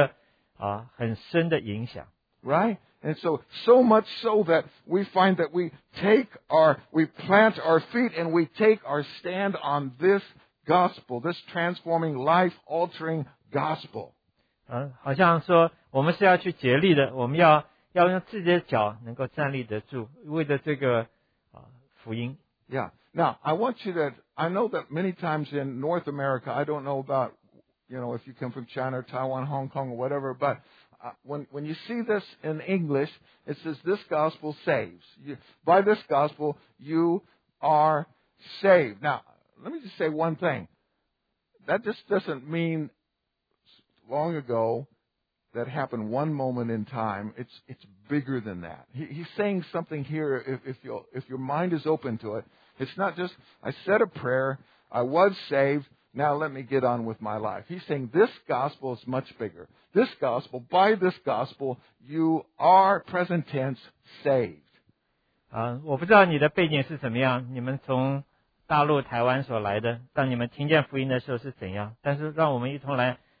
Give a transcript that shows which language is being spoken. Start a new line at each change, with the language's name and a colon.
Chinese: 它不仅是好像叫我们一耳进一耳出，而是对我们有一个很深的影响。
English: Right? And so much so that we find that we plant our feet and we take our stand on this gospel, this transforming, life-altering gospel.
Chinese: 好像说我们是要去竭力的，我们要用自己的脚能够站立得住，为了这个福音。Yeah.
English: Now I want you to. I know that many times in North America, I don't know about, you know, if you come from China, Taiwan, Hong Kong, or whatever. But when you see this in English, it says this gospel saves. By this gospel, you are saved. Now let me just say one thing. That just doesn't mean. Long ago, that happened one moment in time. It's bigger than that. He's saying something here. If your mind is open to it, it's not just I said a prayer. I was saved. Now let me get on with my life. He's saying this gospel is much bigger. This gospel, by this gospel, you are present tense saved.
Chinese: 我不知道你的背景是怎么样。你们从大陆台湾所来的，当你们听见福音的时候是怎样？但是让我们一同来。